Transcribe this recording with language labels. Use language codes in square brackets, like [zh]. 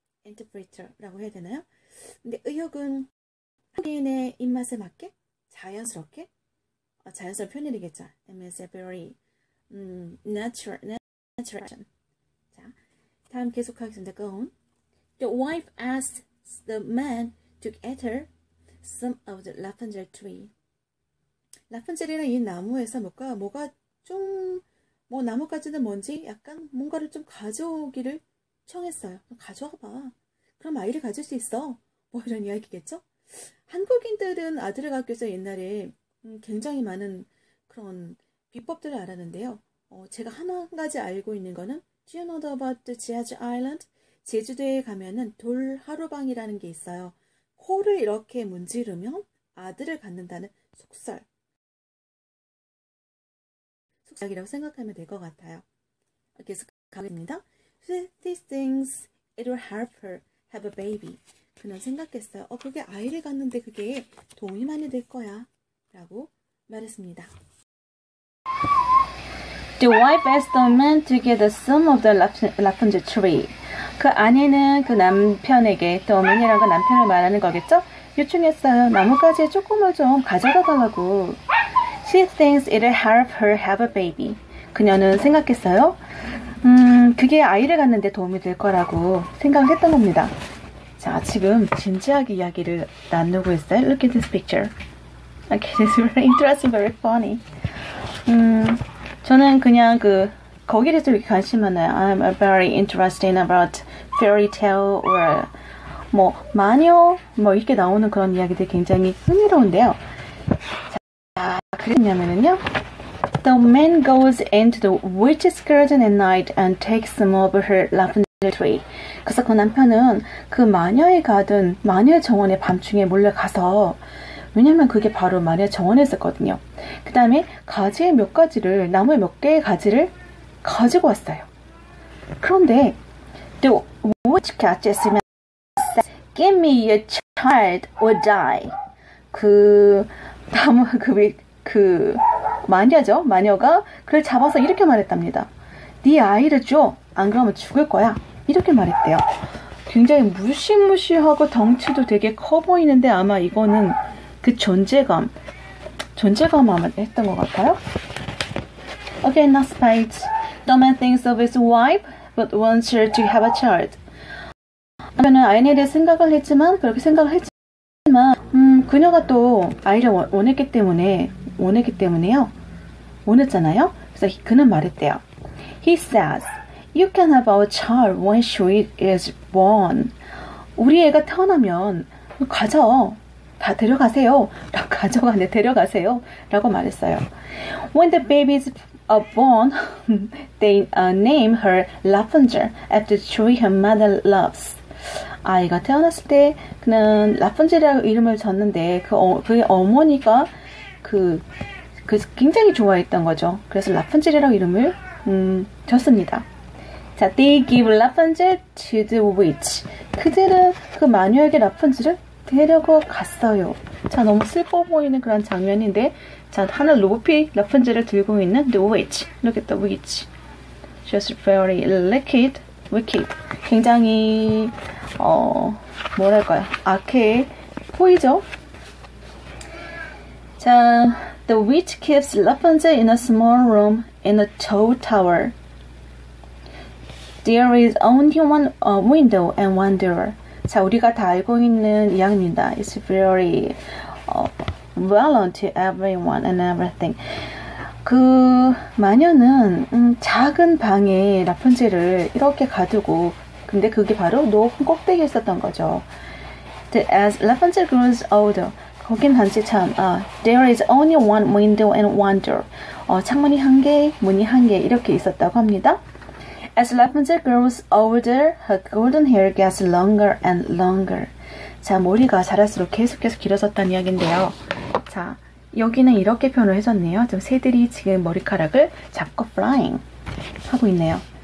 [ko] Interpreter라고 해야 되나요? 근데 의역은 한국인의 입맛에 맞게 자연스럽게, 자연스러운 표현이겠죠. [en] It's a very natural. [ko] 자, 다음 계속하겠습니다. [en] Go on. The wife asked. The man took ether some of the lavender tree. [ko] 라푼젤이라는 이 나무에서 뭐가 좀뭐 나뭇가지는 뭔지 약간 뭔가를 좀 가져오기를 청했어요. 가져와 봐. 그럼 아이를 가질 수 있어. 뭐 이런 이야기겠죠? 한국인들은 아들을 갖기 위해서 옛날에 굉장히 많은 그런 비법들을 알았는데요. 제가 한 가지 알고 있는 거는 [en] Do you know about the Jeju Island? [ko] 제주도에 가면은 돌하루방이라는 게 있어요. 코를 이렇게 문지르면 아들을 갖는다는 속설. 속설이라고 생각하면 될것 같아요. 계속 가겠습니다. [en] She thinks it will help her have a baby. [ko] 그는 생각했어요. 그게 아이를 갖는데 그게 도움이 많이 될 거야. 라고 말했습니다. [en] The wife asked the man to get the sum of the lavender tree. [ko] 그 아내는 그 남편에게, 더 어머니라고 남편을 말하는 거겠죠? 요청했어요. 나뭇가지에 조금을 좀 가져다 달라고. [en] She thinks it'll help her have a baby. [ko] 그녀는 생각했어요. 그게 아이를 갖는데 도움이 될 거라고 생각했던 겁니다. 자, 지금 진지하게 이야기를 나누고 있어요. [en] Look at this picture. Okay, this is very interesting, very funny. [ko] 저는 그냥 거기에 대해서 이렇게 관심 많아요. [en] I'm very interested about fairy tale or [ko] 뭐 마녀 뭐 이렇게 나오는 그런 이야기들 굉장히 흥미로운데요. 자, 그랬냐면요. [en] The man goes into the witch's garden at night and takes some of her lavender tree. [ko] 그래서 그 남편은 그 마녀의 가든 마녀의 정원에 밤중에 몰래 가서 왜냐면 그게 바로 마녀 정원에 있었거든요. 그 다음에 가지의 몇 가지를 나무의 몇 개의 가지를 가지고 왔어요. 그런데 [en] The witch catches him and says, Give me your child or die. [ko] 그 나무 그 마녀죠. 마녀가 그를 잡아서 이렇게 말했답니다. 네 아이를 줘. 안 그러면 죽을 거야. 이렇게 말했대요. 굉장히 무시무시하고 덩치도 되게 커 보이는데 아마 이거는 그 존재감 아마 했던 것 같아요. [en] Okay, not spite. The man thinks of his wife, but wants her to have a child. [ko] 남편은 아이에 대해 생각을 했지만 그렇게 생각을 했지만 그녀가 또 아이를 원했기 때문에요. 원했잖아요. 그래서 그는 말했대요. [en] He says, You can have our child when she is born. [ko] 우리 애가 태어나면 가져. 다 데려가세요. 다 가져가네. 데려가세요. 라고 말했어요. [en] When the baby is born, they name her Lavender after the tree her mother loves. [ko] 아이가 태어났을 때 그는 라푼젤이라고 이름을 줬는데 그의 어머니가 그 굉장히 좋아했던 거죠. 그래서 라푼젤이라고 이름을 줬습니다. [en] 자, they give Rapunzel to the witch. [ko] 그들은 그 마녀에게 라푼젤을 데려고 갔어요. 자, 너무 슬퍼 보이는 그런 장면인데 자, 하늘 높이 라푼젤을 들고 있는 the witch. [en] Look at the witch. She's very wicked. [ko] 굉장히 뭐랄까요? 악해 보이죠? [en] 자, The witch keeps Rapunzel in a small room in a tall tower. There is only one window and one door. [ko] 자, 우리가 다 알고 있는 이야기입니다. [en] It's very well known to everyone and everything. [ko] 그 마녀는 작은 방에 라푼젤을 이렇게 가두고 근데 그게 바로 높은 꼭대기에 있었던 거죠. [en] As Rapunzel grows older, [ko] 거긴 단지 참, [en] there is only one window and one door. [ko] 창문이 한 개, 문이 한 개 이렇게 있었다고 합니다. [en] As Rapunzel grows older, her golden hair gets longer and longer. [ko] 자, 머리가 자랄수록 계속해서 길어졌다는 이야기인데요. 자, 여기는 이렇게 표현을 해줬네요. 좀 새들이 지금 머리카락을 잡고 flying 하고 있네요.